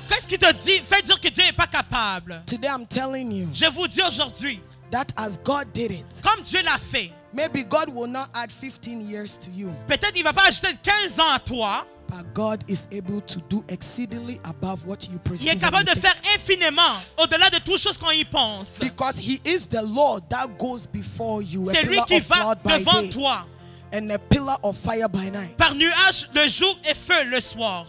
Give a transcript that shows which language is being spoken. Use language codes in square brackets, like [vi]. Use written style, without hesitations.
[fr] qu'est-ce qui te dit, fait dire que Dieu n'est pas capable. [en] Today I'm telling you, [fr] je vous dis aujourd'hui, [en] that as God did it, [fr] comme Dieu l'a fait, [en] maybe God will not add 15 years to you. [fr] Peut-être il va pas ajouter 15 ans à toi. [en] But God is able to do exceedingly above what you perceive. [fr] Il est capable de faire infiniment au-delà de toutes choses qu'on y pense. [en] Because he is the Lord that goes before you, [fr] c'est lui qui va devant toi. [en] And a pillar of fire by night. [fr] Par nuage le jour et feu le soir.